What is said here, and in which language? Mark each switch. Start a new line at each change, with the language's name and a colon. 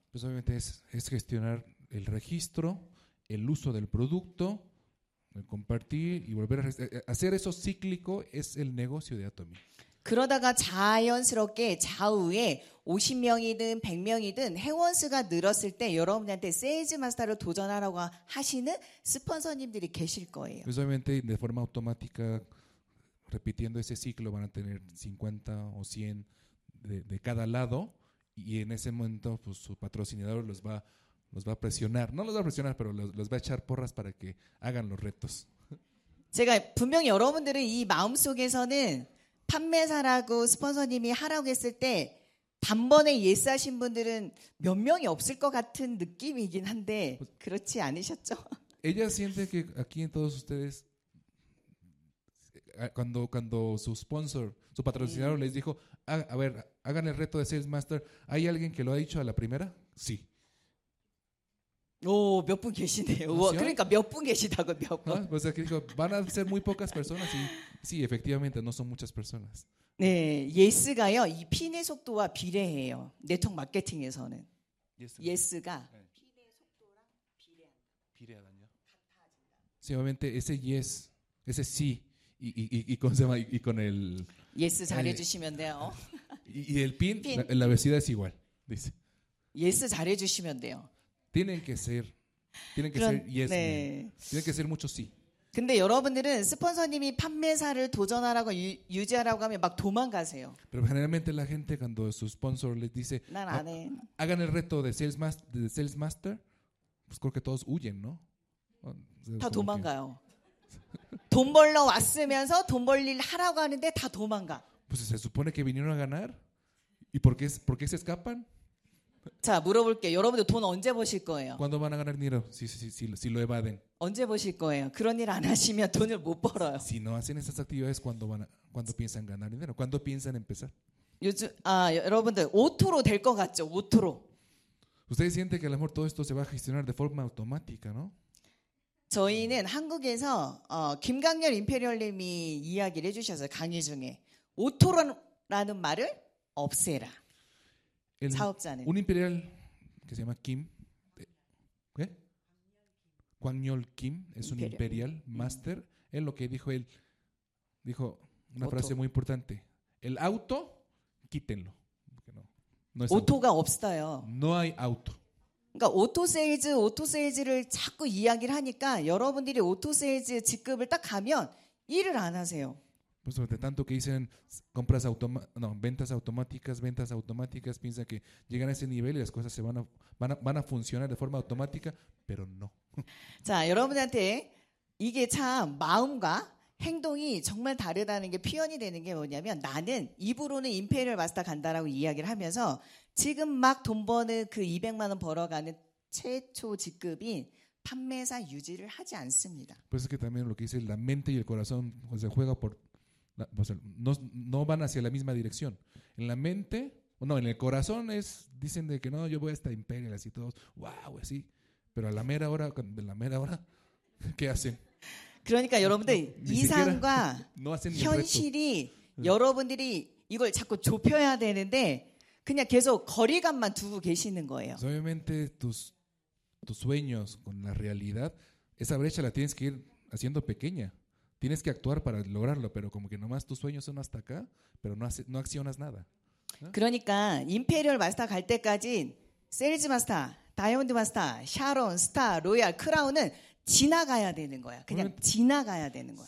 Spanish: Pues obviamente es gestionar el registro, el uso del producto. Compartir y volver a hacer eso cíclico es el negocio de Atomy.
Korean: 그러다가 자연스럽게 좌우에 50명이든 100명이든 회원수가 늘었을 때 여러분한테 세일즈 마스터를 도전하라고 하시는 스폰서님들이 계실 거예요.
Spanish: Precisamente de forma automática repitiendo ese ciclo van a tener 50 o 100 de cada lado y en ese momento pues su patrocinador los va a presionar, no los va a presionar, pero los va a echar porras para que hagan los retos.
Korean: 제가 분명히 여러분들은 이 마음속에서는 판매사라고 스폰서님이 하라고 했을 때 단번에 예스 하신 분들은 몇 명이 없을 것 같은 느낌이긴 한데 그렇지 않으셨죠?
Spanish: Ella siente que aquí en todos ustedes cuando su sponsor, su patrocinador les dijo, "A ver, hagan el reto de Sales Master." ¿Hay alguien que lo ha dicho a la primera? Sí.
Korean: 오, 몇 분 계시네요. 우와, 그러니까 몇 분 계시다고 몇 분. 아, 벌써 그리고
Spanish: van a ser muy pocas personas y sí, efectivamente no son muchas personas.
Korean: 네, 예스가요. 이 핀의 속도와 비례해요. 네트워크 마케팅에서는. 예스가 핀의 속도랑 비례하다뇨. 같아진다.
Spanish: Simplemente ese yes, ese sí y con se y con el
Korean: 예스 잘해 주시면 돼요.
Spanish: Y el pin, la velocidad es igual, dice.
Korean: 예스 잘해 주시면 돼요.
Spanish: Tienen que ser mucho sí.
Korean: 근데 여러분들은 스폰서님이 판매사를 도전하라고 유지하라고 하면 막 도망가세요.
Spanish: Pero generalmente la gente cuando su sponsor les dice, hagan el reto de sales master, pues creo que todos huyen, ¿no?
Korean: 다 도망가요. 돈 벌러 왔으면서 돈 벌 일 하라고 하는데 다 도망가.
Spanish: Pues se supone que vinieron a ganar. ¿Y por qué se escapan?
Korean: 자, 물어볼게. 여러분들 돈 언제 버실 거예요?
Spanish: Cuando van a ganar dinero? Si lo evaden.
Korean: 언제 버실 거예요? 그런 일 안 하시면 돈을 못 벌어요.
Spanish: Si no hacen esas actividades cuando piensan ganar dinero? Cuando piensan empezar?
Korean: 요즘 아 여러분들 오토로 될 것 같죠? 오토로.
Spanish: Usted siente que a lo mejor todo esto se va a gestionar de forma automática, ¿no?
Korean: 저희는 한국에서 김강렬 임페리얼님이 이야기를 해주셔서 강의 중에 오토로라는 말을 없애라. 사업자는.
Spanish: Un imperial que se llama Kim. ¿Qué? Kwangyol Kim es un imperial master. Él lo que dijo él dijo una frase muy importante. El auto quítenlo. No
Korean: 오토가 auto. 없어요.
Spanish: No hay auto.
Korean: 그러니까 오토 세일즈를 자꾸 이야기를 하니까 여러분들이 오토 세일즈 직급을 딱 가면 일을 안 하세요.
Spanish: Pues de tanto que dicen compras ventas automáticas piensa que llegan a ese nivel y las cosas se van a funcionar de forma automática, pero no.
Korean: 자, 여러분한테 이게 참 마음과 행동이 정말 다르다는 게 표현이 되는 게 뭐냐면 나는 입으로는 임페리얼 마스터 간다라고 이야기를 하면서 지금 막 돈 버는 그 200만 원 벌어가는 최초 직급인 판매사 유지를 하지 않습니다.
Spanish: Pues es que también lo que dice la mente y el corazón cuando se juega por no van hacia la misma dirección. En la mente o no, en el corazón es dicen de que no, yo voy hasta imperial así todos, wow, así. Pero a la mera hora, ¿qué hacen?
Korean: 그러니까 여러분들 이상과 현실이 여러분들이 이걸 자꾸 좁혀야 되는데 그냥 계속 거리감만 두고 계시는 거예요.
Spanish: Solamente tus sueños con la realidad, esa brecha la tienes que ir haciendo pequeña. Tienes que actuar para lograrlo, pero como que nomás tus sueños son hasta acá, pero no accionas nada.
Korean: 그러니까 임페리얼 마스터 갈 때까지 세일즈 마스터, 다이아몬드 마스터, 샤론, 스타, 로얄, 크라운은 지나가야 되는 거야. 그냥 지나가야 되는 거야.